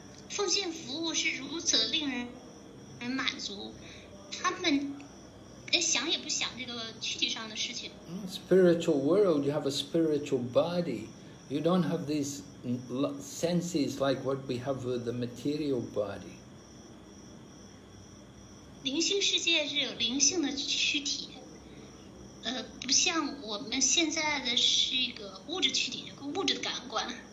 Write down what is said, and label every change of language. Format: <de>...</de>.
<zh>奉献服务是如此令人满足，他们想也不想这个躯体上的事情。</zh> <en>Spiritual world, you have a spiritual body. You don't have these senses like what we have with the material body.</en> <zh>灵性世界是有灵性的躯体，不像我们现在的是一个物质躯体，物质的感官。</zh>